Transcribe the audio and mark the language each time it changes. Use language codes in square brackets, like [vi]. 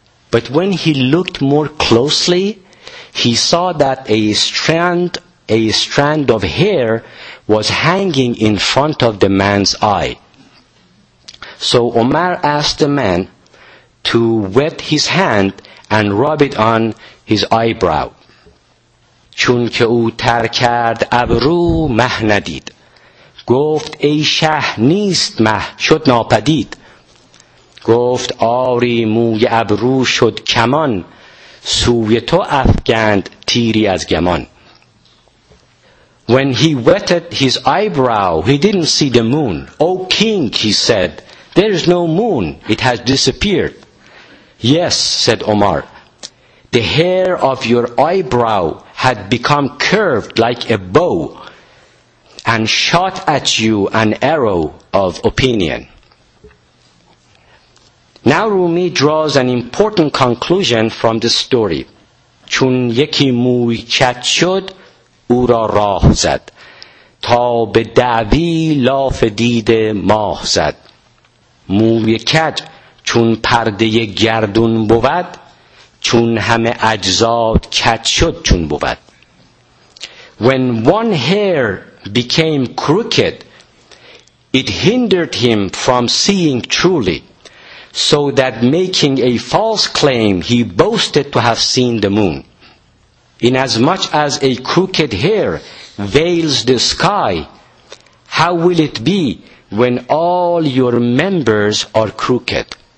[en] But when he looked more closely, he saw that a strand of hair was hanging in front of the man's eye. So Omar asked the man to wet his hand and rub it on his eyebrow. [fa] چون که او تر کرد ابرو مه ندید. گفت ای شه نیست مه شد ناپدید. گفت آری موی ابرو شد کمان. سوی تو افگند تیری از گمان. [en] When he wetted his eyebrow, he didn't see the moon. O king, he said, there is no moon. It has disappeared. Yes, said Omar. The hair of your eyebrow had become curved like a bow and shot at you an arrow of opinion. Now Rumi draws an important conclusion from this story. [fa] چون یکی موی چت شد او را راه زد تا به دعوی لاف دید ماه زد موی کج چون پرده گردون بود چون همه اجزاد کج شد چون بود. [en] When one hair became crooked, it hindered him from seeing truly, so that making a false claim, he boasted to have seen the moon. Inasmuch as a crooked hair veils the sky, how will it be when all your members are crooked?